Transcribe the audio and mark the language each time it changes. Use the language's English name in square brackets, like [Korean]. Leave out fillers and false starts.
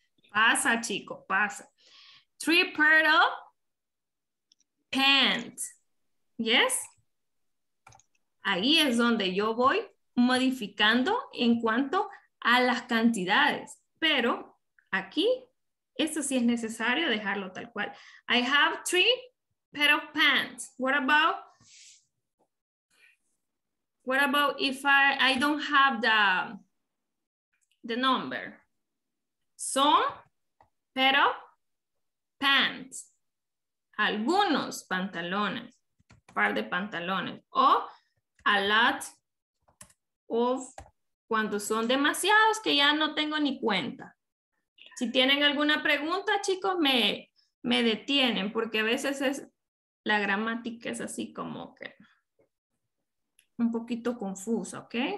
[Spanish] Pasa, chico, pasa. [English] Three pair of pants. ¿Yes? [Spanish] Ahí es donde yo voy modificando en cuanto a las cantidades, pero aquí esto sí es necesario dejarlo tal cual. [English] I have 3 pair of pants. What about if I don't have the number? Some pair of pants. [Spanish] Algunos pantalones, par de pantalones, o [English] a lot of, [Spanish] cuando son demasiados que ya no tengo ni cuenta. Si tienen alguna pregunta, chicos, me detienen, porque a veces es la gramática es así como que un poquito confusa, ¿ok?